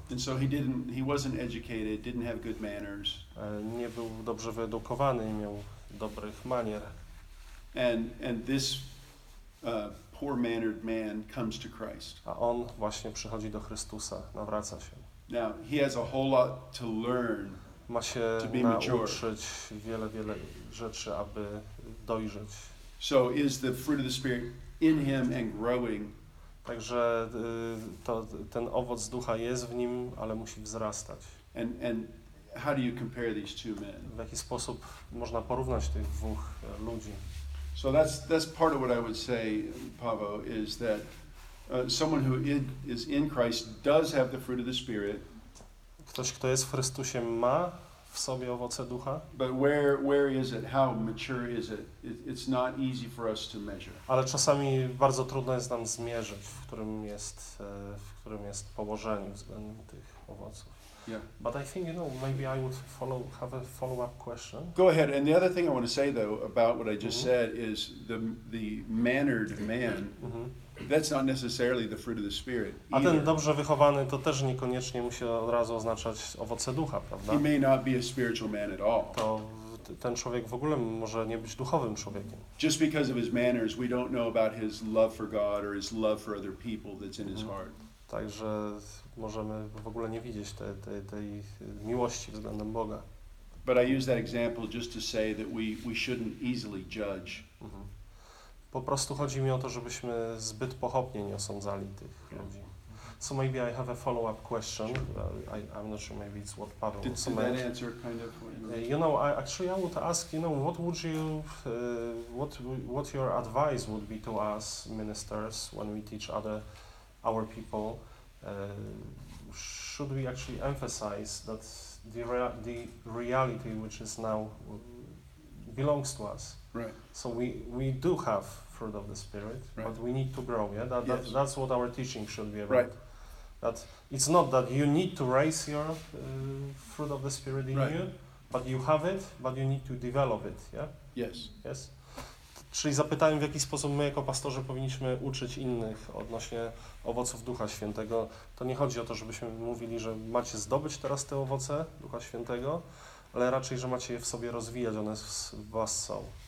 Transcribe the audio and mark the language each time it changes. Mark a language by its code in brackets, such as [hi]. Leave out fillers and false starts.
[en] And so he wasn't educated, didn't have good manners. [pl] Nie był dobrze wyedukowany, nie miał dobrych manier. [en] And this poor-mannered man comes to Christ. [pl] A on właśnie przychodzi do Chrystusa, nawraca się. [en] Now he has a whole lot to learn. [pl] Ma się nauczyć wiele, wiele rzeczy, aby dojrzeć. [en] So is the fruit of the Spirit in him and growing. [pl] Także ten owoc ducha jest w nim, ale musi wzrastać. [en] And how do you compare these two men? [pl] W jaki sposób można porównać tych dwóch ludzi? [en] So that's part of what I would say, Paweł, is that someone who is in Christ does have the fruit of the Spirit. [pl] Ktoś, kto jest w Chrystusie, ma w sobie owoce ducha. [en] But where is it? How mature is it? It's not easy for us to measure. [pl] Ale czasami bardzo trudno jest nam zmierzyć, w którym jest położenie względem tych owoców. [en] Yeah. But I think, you know, maybe I would have a follow-up question. Go ahead. And the other thing I want to say, though, about what I just mm-hmm. said is the mannered man, mm-hmm. that's not necessarily the fruit of the Spirit either. [pl] A ten dobrze wychowany to też niekoniecznie musi od razu oznaczać owoce ducha, prawda? [en] He may not be a spiritual man at all. [pl] To ten człowiek w ogóle może nie być duchowym człowiekiem. [en] Just because of his manners, we don't know about his love for God or his love for other people that's in his heart. [pl] Także możemy w ogóle nie widzieć tej miłości względem Boga. [en] But I use that example just to say that we shouldn't easily judge. [pl] Po prostu chodzi mi o to, żebyśmy zbyt pochopnie nie osądzali tych ludzi. [en] So maybe I have a follow-up question. I'm not sure, maybe it's what Pavel did, also meant. Did that answer kind of what you know, actually I would ask, you know, what would you, what your advice would be to us ministers when we teach our people? Should we actually emphasize that the reality which is now belongs to us? Right. So we do have fruit of the Spirit, right. But we need to grow. Yeah, that's what our teaching should be about. Right. That it's not that you need to raise your fruit of the Spirit in right. you, but you have it, but you need to develop it. Yeah. Yes. Yes. [pl] Czyli zapytałem, w jaki sposób my jako pastorzy powinniśmy uczyć innych odnośnie owoców Ducha Świętego. To nie chodzi o to, żebyśmy mówili, że macie zdobyć teraz te owoce Ducha Świętego, ale raczej, że macie je w sobie rozwijać, one w was są.